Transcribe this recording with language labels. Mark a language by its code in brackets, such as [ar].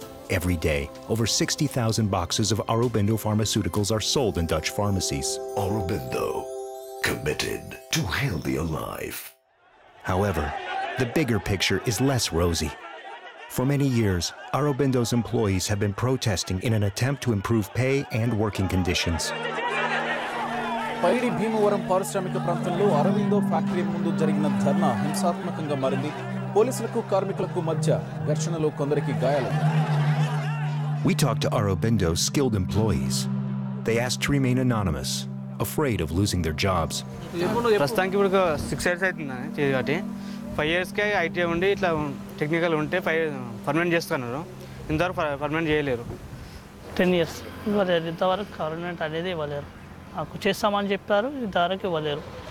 [en] Every day, over 60,000 boxes of Aurobindo pharmaceuticals are sold in Dutch pharmacies. Aurobindo, committed to healthier life. However, the bigger picture is less rosy. For many years, Aurobindo's employees have been protesting in an attempt to improve pay and working conditions. [te] పైడి భీమవరం పారిశ్రామిక ప్రాంతంలో Aurobindo factory ముందు జరిగిన ధర్నా హింసాత్మకంగా మారింది. పోలీసులకు కార్మికులకు మధ్య ఘర్షణలో కొందరికి గాయాలు. [en] We talked to Aurobindo's skilled employees. They asked to remain anonymous, afraid of losing their jobs. [te] ప్రస్తుతానికి ఇప్పుడు 6 ఇయర్స్ అవుతుందని చేయదు కాబట్టి 5 ఇయర్స్కే ఐటీ ఉండి ఇట్లా టెక్నికల్ ఉంటే పర్మనెంట్ చేస్తున్నారు. ఇంతవరకు పర్మనెంట్ చేయలేరు. 10 ఇయర్స్ ఇవ్వలేదు, ఇంతవరకు పర్మనెంట్ అనేది ఇవ్వలేరు. మాకు చేస్తామని చెప్పారు, ఇంతవరకు ఇవ్వలేరు.